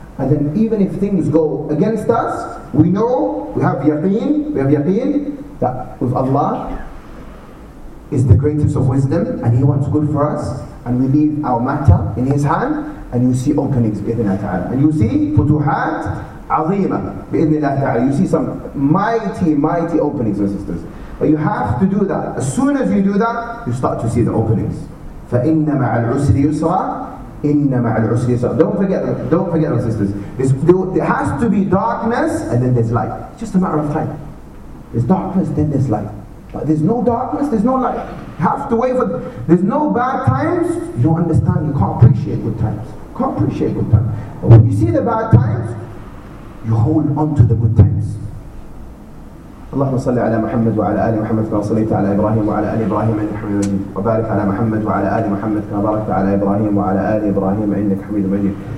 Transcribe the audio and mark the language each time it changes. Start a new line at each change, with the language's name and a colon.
English: And then even if things go against us, we know, we have yaqeen, that with Allah is the greatest of wisdom, and He wants good for us, and we leave our matter in His hand, and you see openings, bi-idhnillah ta'ala. And you see futuhat azeema, bi-idhnillah ta'ala. You see some mighty, mighty openings, my sisters. But you have to do that. As soon as you do that, you start to see the openings.
Arabic: فَإِنَّ مَعَ الْعُسْرِ يُسْرًا إِنَّ مَعَ الْعُسْرِ يُسْرًا
English: Don't forget, my sisters. There has to be darkness, and then there's light. It's just a matter of time. There's darkness, then there's light. But there's no darkness, there's no light. You have to wait for... There's no bad times. You don't understand, you can't appreciate good times. But when you see the bad times, you hold on to the good times.
Arabic: اللهم صل على محمد وعلى آل محمد كما صليت على إبراهيم وعلى آل إبراهيم إنك حميد مجيد وبارك على محمد وعلى آل محمد كما باركت على إبراهيم وعلى آل إبراهيم إنك حميد مجيد